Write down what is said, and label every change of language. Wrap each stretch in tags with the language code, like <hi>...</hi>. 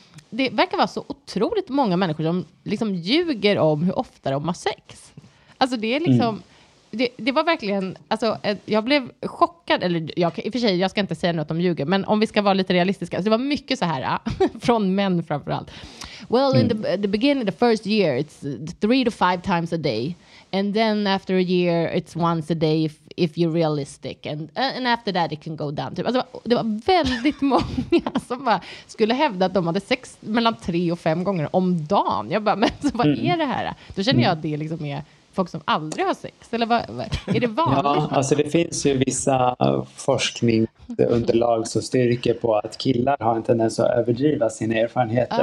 <sv>Det verkar vara så otroligt många människor som liksom ljuger om hur ofta de har sex. Alltså det är liksom, det var verkligen, alltså jag blev chockad, eller jag, i och för sig, jag ska inte säga något om ljuger, men om vi ska vara lite realistiska, så det var mycket så här, från män framförallt.</sv> <en>Well, in the beginning, the first year, it's 3 to 5 times a day. And then after a year, it's once a day if you're realistic. And after that, it can go down.</en> <sv>Typ. Alltså, det var väldigt många som bara skulle hävda att de hade sex mellan 3 och 5 gånger om dagen. Jag bara, men så, vad är det här? Då känner jag att det liksom är folk som aldrig har sex. Eller vad, är det vanligt? Ja, alltså det finns ju vissa forskningsunderlag som styrker på att killar har en tendens att överdriva sina erfarenheter.</sv>